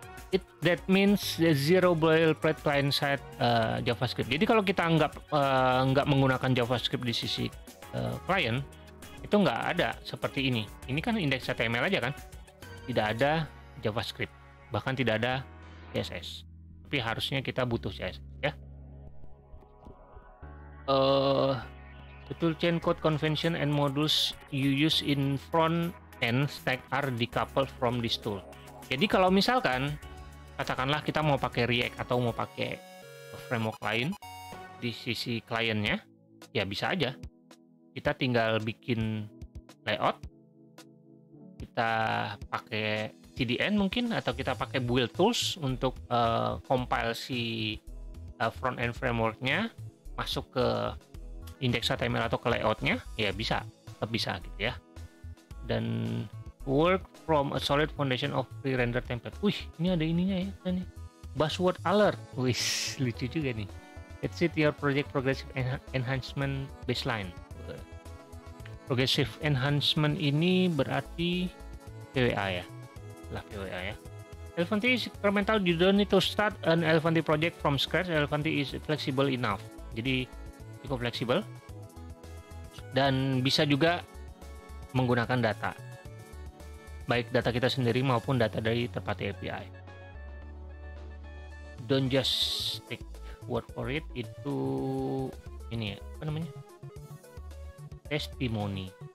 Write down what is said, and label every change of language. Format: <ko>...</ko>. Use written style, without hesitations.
<en>It that means zero boilerplate client side JavaScript.</en> <id>Jadi kalau kita nggak menggunakan JavaScript di sisi client, itu nggak ada seperti ini. Ini kan indeks HTML aja kan, tidak ada JavaScript. Bahkan tidak ada CSS, tapi harusnya kita butuh CSS ya.</id> <en>Tool chain code convention and modules you use in front end stack are decoupled from this tool.</en> <id>Jadi kalau misalkan katakanlah kita mau pakai React atau mau pakai framework lain di sisi kliennya, ya bisa aja kita tinggal bikin layout, kita pakai CDN mungkin, atau kita pakai build tools untuk compile si front end frameworknya masuk ke index.html atau ke layoutnya, ya bisa, tetap bisa gitu ya.</id> <en>Dan work from a solid foundation of pre-render template.</en> <id>Wih, ini ada ininya ya, ini buzzword alert. Wih, lucu juga nih.</id> <en>Let's see your project progressive enhancement baseline.</en> <id>Progressive enhancement ini berarti PWA ya. Lah PWA ya.</id> <en>Elefanti is incremental, you don't need to start an Elefanti project from scratch. Elefanti is flexible enough.</en> <id>Jadi cukup fleksibel. Dan bisa juga menggunakan data. Baik data kita sendiri maupun data dari terpati API.</id> <en>Don't just take word for it,</en> <id>itu ini ya, apa namanya,</id> <en>testimony.</en>